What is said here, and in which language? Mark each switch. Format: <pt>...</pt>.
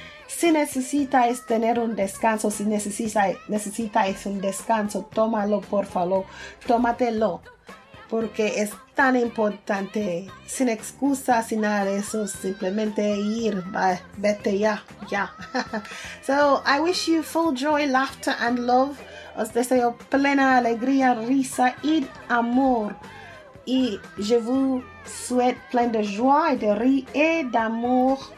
<es>Si necesitáis tener un descanso, si necesitáis un descanso, tómalo, por favor, tómatelo, porque es tan importante, sin excusas, sin nada de eso, simplemente ir, vete ya, ya.</es> <en>So, I wish you full joy, laughter and love.</en> <es>Os deseo plena alegría, risa y amor.</es> <fr>Y je vous souhaite plein de joie, de rire et d'amour.</fr>